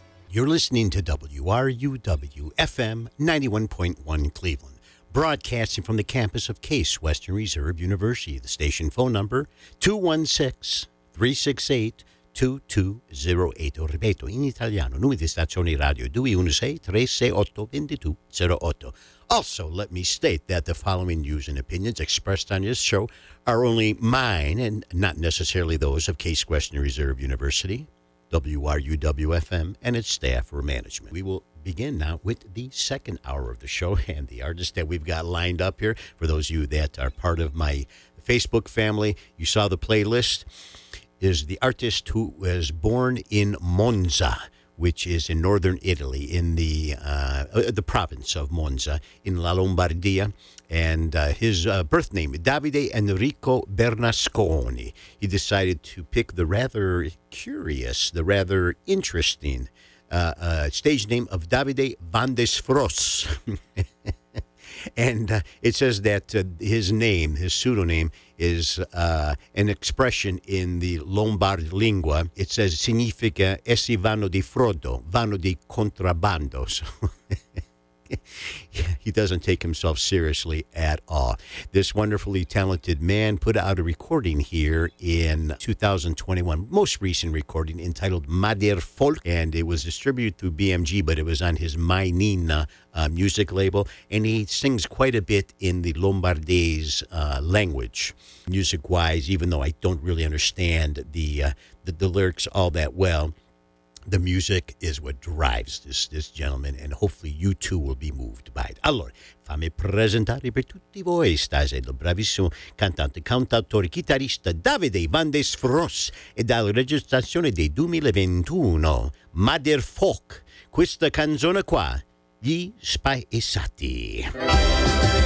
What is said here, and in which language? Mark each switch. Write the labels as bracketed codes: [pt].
[en] You're listening to WRUW FM 91.1 Cleveland, broadcasting from the campus of Case Western Reserve University. The station phone number 216-368-2208. [it] O ripeto, in italiano, numero di stazione radio 216-368-2208. [en] Also, let me state that the following news and opinions expressed on this show are only mine and not necessarily those of Case Western Reserve University, WRUW-FM, and its staff or management. We will begin now with the second hour of the show and the artist that we've got lined up here. For those of you that are part of my Facebook family, you saw the playlist, is the artist who was born in Monza, which is in northern Italy, in the province of Monza, in La Lombardia. And his birth name, Davide Enrico Bernasconi. He decided to pick the rather curious, the rather interesting stage name of Davide Van des Fros. And it says that his name, his pseudonym, is an expression in the Lombard lingua. It says, [it] significa essi vanno di frodo, vanno di contrabbando. [en] So he doesn't take himself seriously at all. This wonderfully talented man put out a recording here in 2021, most recent recording entitled Madir Folk, and it was distributed through BMG, but it was on his My Nina music label, and he sings quite a bit in the Lombardese language, music-wise, even though I don't really understand the lyrics all that well. The music is what drives this gentleman, and hopefully you too will be moved by it. [it] Allora, fammi presentare per tutti voi, stasera, bravissimo cantante, cantautore, chitarrista Davide Van des Fros, e dalla registrazione del 2021, Mother Folk, questa canzone qua, Gli Spaesati.